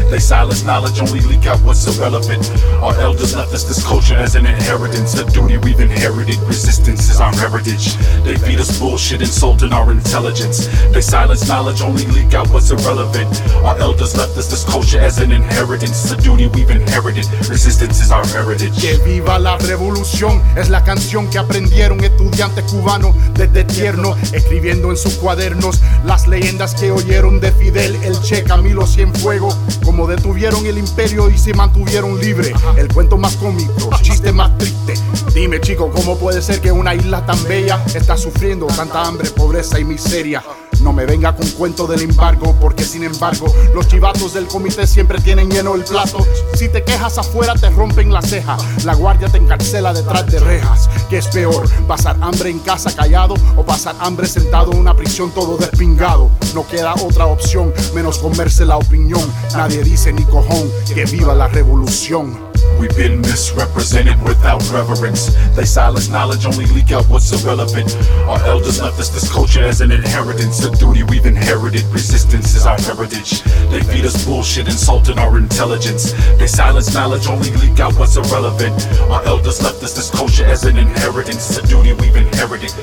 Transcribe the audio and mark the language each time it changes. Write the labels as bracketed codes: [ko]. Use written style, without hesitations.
[en] They silence knowledge, only leak out what's irrelevant. Our elders left us this culture as an inheritance, a duty we've inherited. Resistance is our heritage. They feed us bullshit, insulting our intelligence. They silence knowledge, only leak out what's irrelevant. Our elders left us this culture as an inheritance, a duty we've inherited. Resistance is our heritage. [es] Que viva la revolución, es la canción que aprendieron estudiantes cubanos desde tierno, escribiendo en sus cuadernos las leyendas que oyeron de Fidel, el Che, Camilo Cienfuegos, como detuvieron el imperio y se mantuvieron libre. El cuento más cómico, chiste más triste. Dime, chico, ¿cómo puede ser que una isla tan bella está sufriendo tanta hambre, pobreza y miseria? No me venga con cuento del embargo, porque sin embargo, los chivatos del comité siempre tienen lleno el plato. Si te quejas afuera, te rompen la ceja. La guardia te encarcela detrás de rejas. ¿Qué es peor, pasar hambre en casa callado o pasar hambre sentado en una prisión todo despingado? No queda otra opción menos comerse la opinión. Nadie dice ni cojón que viva la revolución. [en] We've been misrepresented without reverence. They silence knowledge, only leak out what's irrelevant. Our elders left us this culture as an inheritance, a duty we've inherited. Resistance is our heritage. They feed us bullshit, insulting our intelligence. They silence knowledge, only leak out what's irrelevant. Our elders left us this culture as an inheritance, a duty we've inherited.